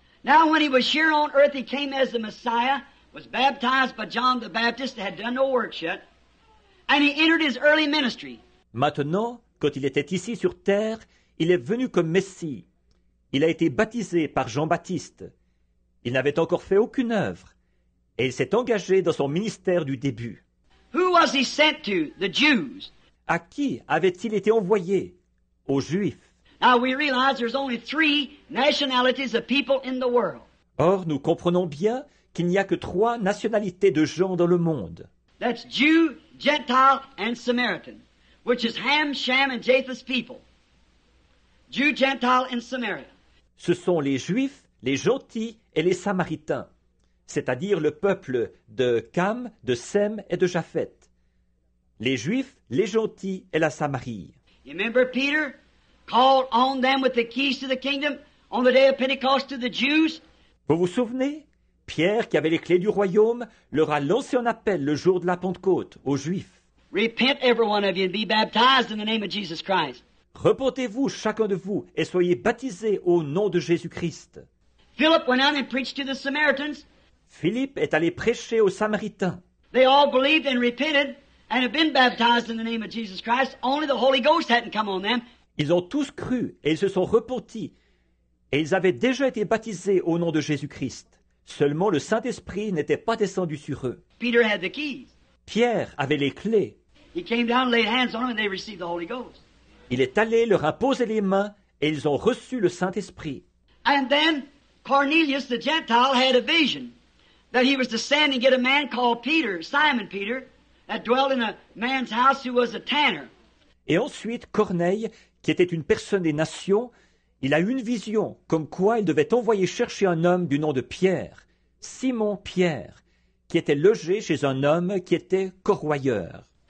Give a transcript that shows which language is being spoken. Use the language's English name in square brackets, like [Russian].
[English] Now when he was here on earth, he came as the Messiah, was baptized by John the Baptist, had done no works yet, and he entered his early ministry. [French] Maintenant, quand il était ici sur terre, il est venu comme Messie. Il a été baptisé par Jean-Baptiste. Il n'avait encore fait aucune œuvre, et il s'est engagé dans son ministère du début. [English] Who was he sent to? The Jews. [French] À qui avait-il été envoyé? Aux Juifs. [English] Now we realize there's only 3 nationalities of people in the world. [French] Or, nous comprenons bien qu'il n'y a que 3 nationalités de gens dans le monde. [English] That's Jew, Gentile, and Samaritan, which is Ham, Shem, and Japheth's people. Jew, Gentile, and Samaritan. [French] Ce sont les Juifs, les Gentils et les Samaritains, c'est-à-dire le peuple de Cam, de Sem et de Japheth. les Juifs, les gentils et la Samarie. [English] Remember Peter called on them with the keys to the kingdom on the day of Pentecost to the Jews? [French] Vous vous souvenez? Pierre, qui avait les clés du royaume, leur a lancé un appel le jour de la Pentecôte aux Juifs. [English] Repent, every one of you, and be baptized in the name of Jesus Christ. [French] Repentez-vous, chacun de vous, et soyez baptisés au nom de Jésus-Christ. [English] Philip went out and preached to the Samaritans. [French] Philippe est allé prêcher aux Samaritains. [English] They all believed and repented and have been baptized in the name of Jesus Christ. Only the Holy Ghost hadn't come on them. [French] Ils ont tous cru et ils se sont repentis. Et ils avaient déjà été baptisés au nom de Jésus-Christ. Seulement, le Saint-Esprit n'était pas descendu sur eux. [English] Peter had the keys. [French] Pierre avait les clés. [English] He came down, laid hands on them, and they received the Holy Ghost. [French] Il est allé leur imposer les mains et ils ont reçu le Saint-Esprit. [English] And then Cornelius the Gentile had a vision that he was to send and get a man called Peter, Simon Peter, that dwelt in a man's house who was a tanner. [French] Et ensuite, Corneille, qui était une personne des nations, il a eu une vision comme quoi il devait envoyer chercher un homme du nom de Pierre, Simon Pierre, qui était logé chez un homme qui était corroyeur.